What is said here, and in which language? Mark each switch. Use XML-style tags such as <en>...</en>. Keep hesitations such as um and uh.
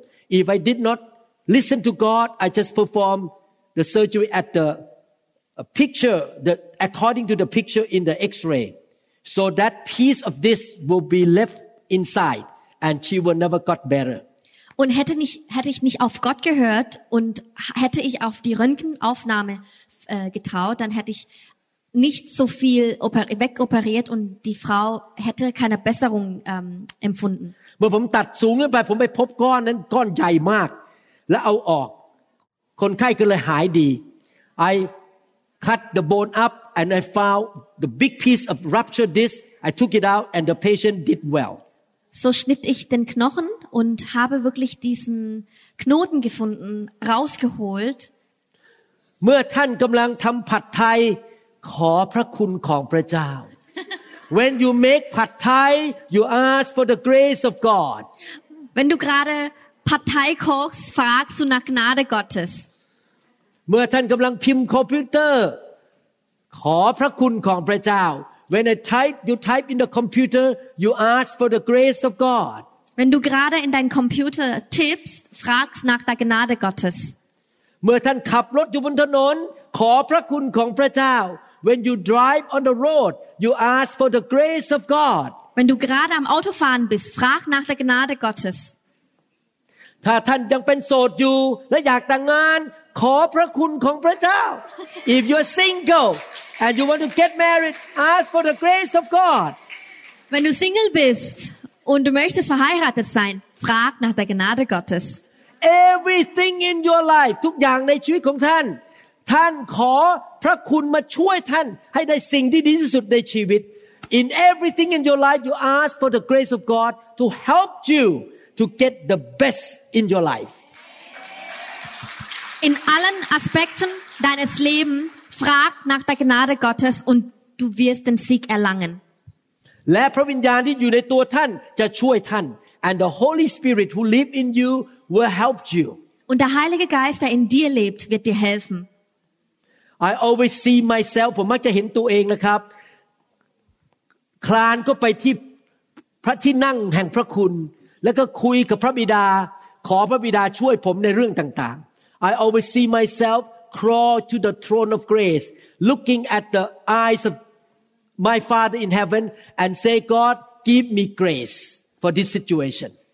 <en>If I did not listen to God, I just perform the surgery at the picture, the, according to the picture in the x-ray so that piece of this will be left inside and she will never got better.</en> <de>Und hätte nicht hätte ich nicht auf Gott gehört und hätte ich auf die Röntgenaufnahme äh, getraut, dann hätte ich nicht so viel wegoperiert und die Frau hätte keine Besserung ähm, empfunden. Popcorn, au, oh.</de> <en>I cut the bone up and I found the big piece of ruptured disc. I took it out and the patient did well.</en> <de>So schnitt ich den Knochen und habe wirklich diesen Knoten gefunden, rausgeholt.</de> <th>เมื่อท่านกำลังทำผัดไทยขอพระคุณของพระเจ้า</th> <en>When you make ผัดไทย you ask for the grace of God</en> <de>Wenn du gerade</de> <th>ผัดไทย</th> <de>kochst fragst du nach Gnade Gottes</de> <th>เมื่อท่านกำลังพิมพ์คอมพิวเตอร์ขอพระคุณของพระเจ้า</th> <en>When I type you type in the computer you ask for the grace of God</en> <de>Wenn du gerade in deinen Computer tippst fragst nach der Gnade Gottes</de> <th>เมื่อท่านขับรถอยู่บนถนน ขอพระคุณของพระเจ้า</th> <en>When you drive on the road you ask for the grace of God</en> <de>Wenn du gerade am Auto fahren bist frag nach der Gnade Gottes</de> <th>ถ้าท่านยังเป็นโสดอยู่และอยากแต่งงาน ขอพระคุณของพระเจ้า</th> <en>If you're single and you want to get married, ask for the grace of God.</en> <de>Wenn du Single bist und du möchtest verheiratet sein, frag nach der Gnade Gottes.</de> <en>Everything in your life,</en> <th>ทุกอย่างในชีวิตของท่าน ท่านขอพระคุณมาช่วยท่านให้ได้สิ่งที่ดีที่สุดในชีวิต</th> <en>In everything in your life, you ask for the grace of God to help you to get the best in your life.</en> <de>In allen Aspekten deines Lebens frag nach der Gnade Gottes und du wirst den Sieg erlangen.</de> <th>และพระวิญญาณที่อยู่ในตัวท่านจะช่วยท่าน</th> <en>and the Holy Spirit who live in you will help you.</en> <de>Und der Heilige Geist, der in dir lebt, wird dir helfen.</de> <en>I always see myself</en> <th>ผมมักจะเห็นตัวเองนะครับคลานก็ไปที่พระที่นั่งแห่งพระคุณ แล้วก็คุยกับพระบิดาขอพระบิดาช่วยผมในเรื่องต่าง ๆ</th> <en>I always see myself crawl to the throne of grace looking at the eyes of my father in heaven and say god give me grace for this situation</en>